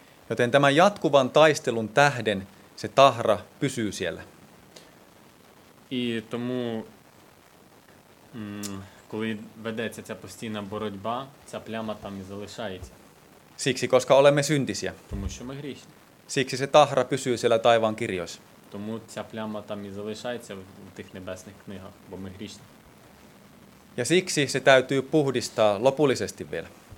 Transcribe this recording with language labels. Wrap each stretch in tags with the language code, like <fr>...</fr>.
<fi>Joten tämän jatkuvan taistelun tähden se tahra pysyy siellä.</fi> <uk>І тому коли ведеться ця постійна боротьба, ця пляма там і залишається.</uk> <fi>Siksi, koska olemme syntisiä.</fi> <uk>Тому що ми грішні.</uk> <fi>Siksi se tahra pysyy siellä taivaan kirjoissa.</fi> <uk>Тому ця пляма там і залишається в тих небесних книгах, бо ми грішні.</uk> <fi>Ja siksi se täytyy puhdistaa lopullisesti vielä.</fi>